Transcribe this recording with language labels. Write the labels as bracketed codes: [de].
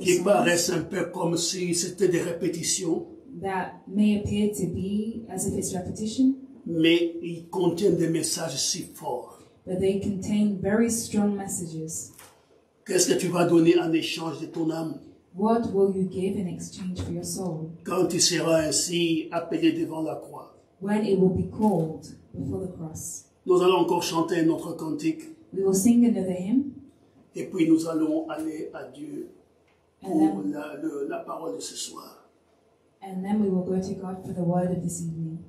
[fr] qui paraissent un peu comme si c'était des répétitions. [en] That may appear to be as if it's repetition. [fr] Mais ils contiennent des messages si forts. [en] But they contain very strong messages. [fr] Qu'est-ce que tu vas donner en échange de ton âme? [en] What will you give in exchange for your soul? [fr] Quand tu seras ainsi appelé devant la croix. [en] When it will be called before the cross. [fr] Nous allons encore chanter notre cantique. [en] We will sing another hymn. [fr] Et puis nous allons aller à Dieu pour la parole de ce soir. [en] And then we will go to God for the word of this evening.